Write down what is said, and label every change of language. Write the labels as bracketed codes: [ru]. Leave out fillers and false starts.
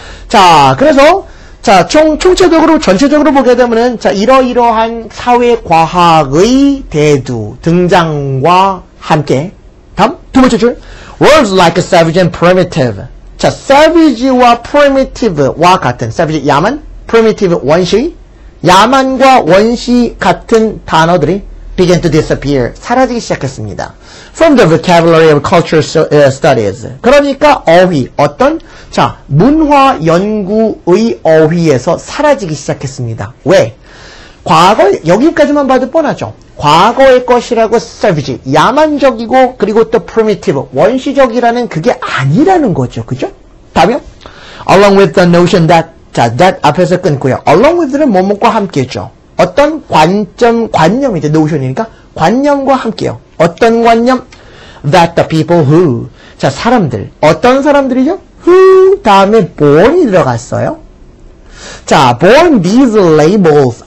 [ko] 자, 그래서 자, 총체적으로 전체적으로 보게 되면은 자, 이러이러한 사회과학의 대두 등장과 함께 다음 두 번째 줄 [en] words like savage and primitive. [ko] 자, savage와 primitive와 같은 savage 야만, primitive 원시, 야만과 원시 같은 단어들이 [en] began to disappear, [ko] 사라지기 시작했습니다. [en] From the vocabulary of cultural studies. [ko] 그러니까 어휘, 어떤 자 문화 연구의 어휘에서 사라지기 시작했습니다. 왜? 과거, 여기까지만 봐도 뻔하죠. 과거의 것이라고 savage, 야만적이고 그리고 또 primitive, 원시적이라는 그게 아니라는 거죠. 그죠? 답이요? [en] Along with the notion that, 자, that [ko] 앞에서 끊고요. Along with는 뭐뭐과 함께죠. 어떤 관점, 관념이죠. notion이니까 관념과 함께요. 어떤 관념? [en] That the people who, 자, [ko] 사람들, 어떤 사람들이죠? who 다음에 born이 들어갔어요. [en] 자, born these labels.